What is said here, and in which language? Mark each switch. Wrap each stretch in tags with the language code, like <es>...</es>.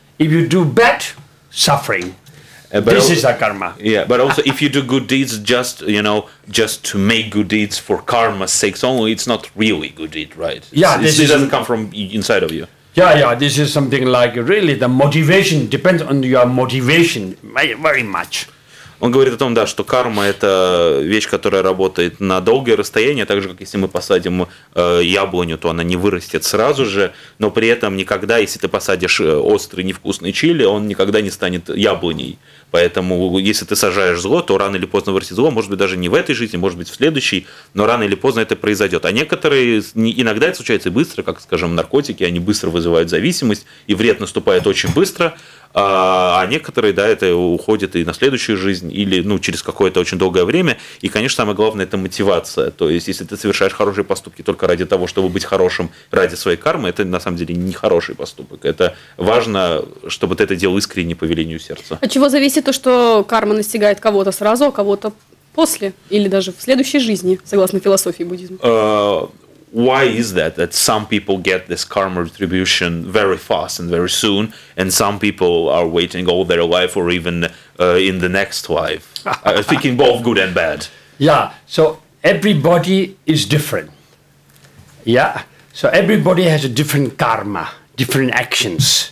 <en>If you do bad, suffering. This is a karma. Yeah, but also if you do good deeds just, you know, just to make good deeds for karma's sake only, it's not really good deed, right? Yeah, it doesn't come from inside of you. Yeah, yeah, this is something like really the motivation depends on your motivation very much.</en> <ru>Он говорит о том, да, что карма – это вещь, которая работает на долгое расстояние, так же, как если мы посадим яблоню, то она не вырастет сразу же, но при этом никогда, если ты посадишь острый невкусный чили, он никогда не станет яблоней. Поэтому, если ты сажаешь зло, то рано или поздно вырастет зло, может быть, даже не в этой жизни, может быть, в следующей, но рано или поздно это произойдет. А некоторые, иногда это случается быстро, как, скажем, наркотики, они быстро вызывают зависимость, и вред наступает очень быстро, а некоторые, да, это уходит и на следующую жизнь, или, ну, через какое-то очень долгое время. И, конечно, самое главное – это мотивация. То есть, если ты совершаешь хорошие поступки только ради того, чтобы быть хорошим, ради своей кармы, это, на самом деле, не хороший поступок. Это важно, чтобы ты это делал искренне, по велению сердца. От чего зависит то, что карма настигает кого-то сразу, а кого-то после, или даже в следующей жизни, согласно философии буддизма?</ru> <en>Why is that, that some people get this karma retribution very fast and very soon, and some people are waiting all their life or even in the next life? I'm thinking both good and bad. Yeah, so everybody is different. Yeah, so everybody has a different karma, different actions.</en>